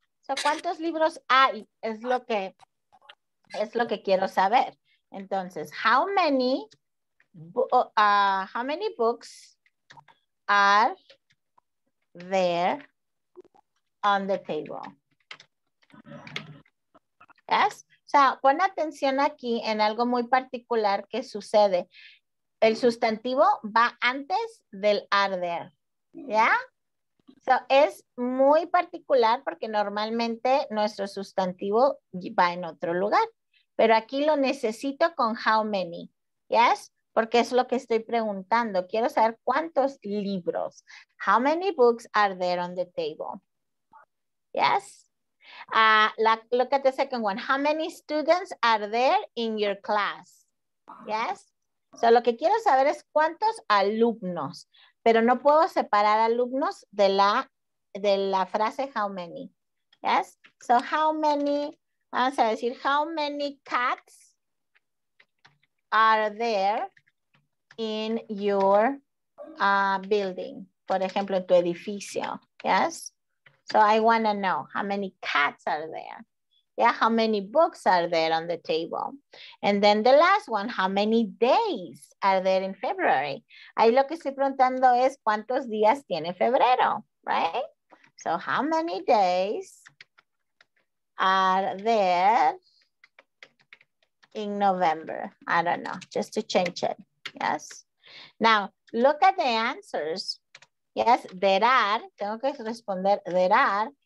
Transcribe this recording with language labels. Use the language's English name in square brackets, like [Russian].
[Spanish] So ¿cuántos libros hay? Es lo que quiero saber. [English] Entonces, how many books are there on the table? Yes. [Spanish] So, pon atención aquí en algo muy particular que sucede. El sustantivo va antes del [English] are there. [Spanish] ¿Ya? So, es muy particular porque normalmente nuestro sustantivo va en otro lugar. Pero aquí lo necesito con [English] how many. [Spanish] ¿Yes? Porque es lo que estoy preguntando. Quiero saber cuántos libros. [English] How many books are there on the table? ¿Yes? Look at the second one. How many students are there in your class? ¿Yes? [Spanish] So, lo que quiero saber es cuántos alumnos. Pero no puedo separar alumnos de la frase [English] how many. [Spanish] ¿Yes? [English] So, how many... [Spanish] Vamos a decir, [English] how many cats are there in your building? [Spanish] Por ejemplo, en tu edificio. [English] Yes? So I want to know how many cats are there. Yeah, how many books are there on the table? And then the last one, how many days are there in February? [Spanish] Ahí lo que estoy preguntando es, ¿cuántos días tiene febrero? [English] Right? So how many days are there in November? I don't know, just to change it, yes? Now, look at the answers. Yes, there are, [Spanish] tengo que responder, [English] there are.